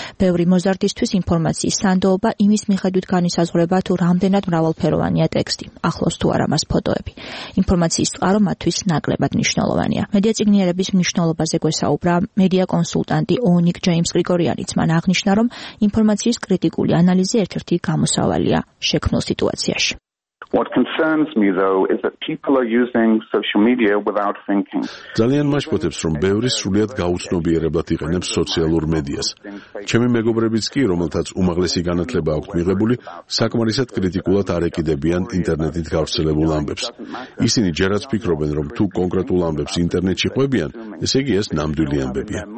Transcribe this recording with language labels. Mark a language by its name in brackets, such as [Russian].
[Georgian] ბევრი მოზარდისთვის ინფორმაციის სანდოობა იმის მიხედვით განისაზღვრება, თუ რამდენად მრავალფეროვანია ტექსტი, ახლოს თუ არა მას ფოტოები. ინფორმაციის წყარო თვის ნაკლებად მნიშვნელოვანია. მედია წიგნიერების მნიშვნელობაზე გვესაუბრა მედია კონსულტანტი ონიკ ჯეიმს გრიგორიანიც. მან აღნიშნა, რომ ინფორმაციის კრიტიკული ანალიზი ერთ-ერთი გამოსავალია შექმნილ სიტუაციაში. [English] What concerns me though is that people are using social media without thinking. [Georgian] ძალიან მაშფოთებს, რომ ბევრი სრულიად გაუცნობიერებად იყენებს სოციალურ მედიას. ჩემი მეგობრებიც კი, რომელთაც უმაღლესი განათლება აქვთ მიღებული, საკმარისად კრიტიკულად არ ეკიდებიან ინტერნეტით გავრცელებულ ამბებს. ისინი ჯერაც ფიქრობენ, რომ თუ კონკრეტულ ამბებს ინტერნეტში ყვებიან, ესე იგი ეს ნამდვილი ამბებია.